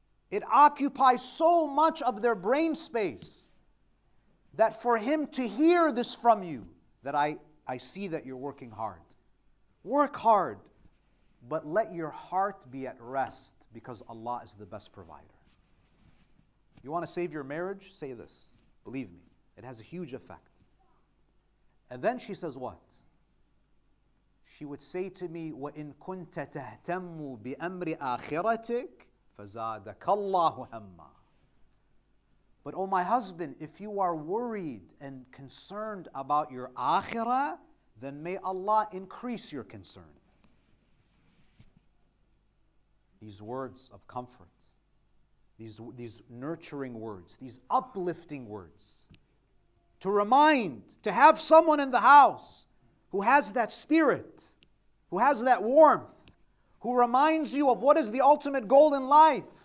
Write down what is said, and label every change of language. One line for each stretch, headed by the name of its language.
English: It occupies so much of their brain space that for him to hear this from you, that I see that you're working hard. Work hard, but let your heart be at rest because Allah is the best provider. You want to save your marriage? Say this. Believe me, it has a huge effect. And then she says what? She would say to me,
Arabic: وَإِن كُنْتَ تَهْتَمُّ بِأَمْرِ آخِرَتِكَ فَزَادَكَ اللَّهُ هَمَّا.
English: But oh my husband, if you are worried and concerned about your akhirah, then may Allah increase your concern. These words of comfort, these nurturing words, these uplifting words, to remind, to have someone in the house who has that spirit, who has that warmth, who reminds you of what is the ultimate goal in life.